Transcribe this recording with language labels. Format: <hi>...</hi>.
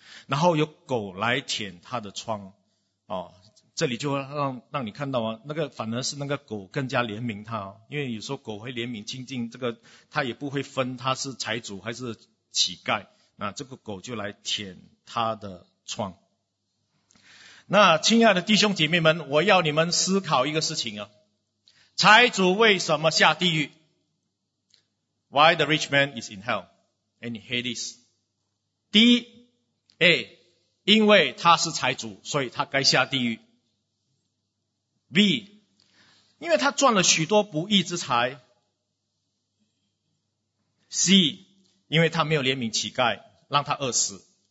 <zh>然后有狗来舔他的疮哦，这里就让你看到啊，那个反而是那个狗更加怜悯他哦，因为有时候狗会怜悯亲近这个，他也不会分他是财主还是乞丐，那这个狗就来舔他的疮。那亲爱的弟兄姐妹们，我要你们思考一个事情啊，财主为什么下地狱？</zh> <en>Why the rich man is in hell and Hades?</en> <zh>第一， A, 因为他是财主，所以他该下地狱。 B, 因为他赚了许多不义之财。 C, 因为他没有怜悯乞丐，让他饿死。</zh>